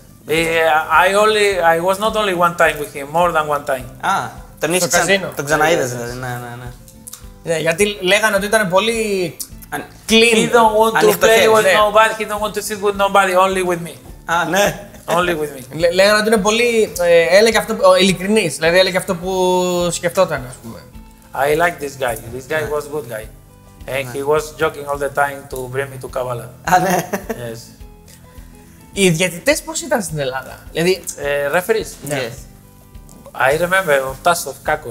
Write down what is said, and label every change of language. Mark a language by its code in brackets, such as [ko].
[en] I was not only one time with him, more than one time. [el] Ah, τον είχες ξαναείδες. Τον ξαναείδες, δηλαδή, ναι. Yeah, γιατί λέγανε ότι ήταν πολύ clean. [en] He don't want to play with nobody, he don't want to sit with nobody, only with me. [el] Ah, ναι. [en] Only with me. [el] Λέγανε ότι είναι πολύ, έλεγε αυτό, ειλικρινής, δηλαδή έλεγε αυτό που σκεφτόταν, ας πούμε. [en] I like this guy. This guy was good guy. And he was joking all the time to bring me to Kavala. Yes. [el] Οι διαιτητές πώς ήταν στην Ελλάδα, δηλαδή... [en] Referees. Yes. I remember, ο Τάσος Κάκος.